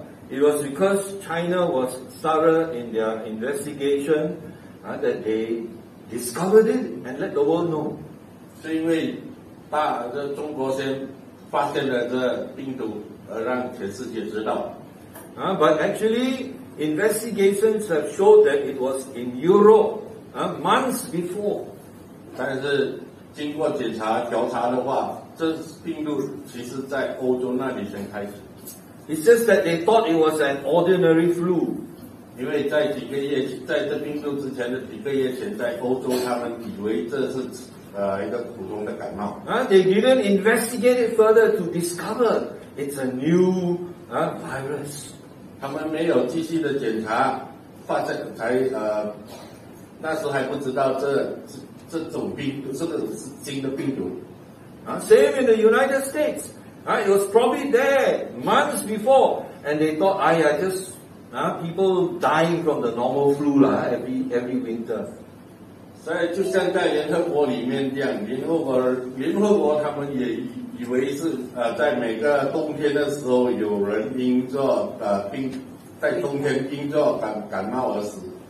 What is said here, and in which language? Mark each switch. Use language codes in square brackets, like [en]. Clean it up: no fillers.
[en] It was because China was thorough in their investigation that they discovered it and let the world know. [zh] 是因为中国先发现了这病毒而让全世界知道。 [en] But actually, investigations have showed that it was in Europe months before. [zh] 但是经过检查调查的话，这病毒其实在欧洲那里先开始。 [en] It says that they thought it was an ordinary flu. [zh] 因为在几个月，在这病毒之前的几个月前，在欧洲他们以为这是一个普通的感冒。 [en] They didn't investigate it further to discover it's a new virus. [zh] 他们没有继续的检查，发现才那时候还不知道这种病毒，这个是新的病毒。 [en] Same in the United States. It was probably there months before, and they thought, people dying from the normal flu every winter. [zh] 所以就像在联合国里面这样，联合国他们也以为是在每个冬天的时候有人因着感冒而死。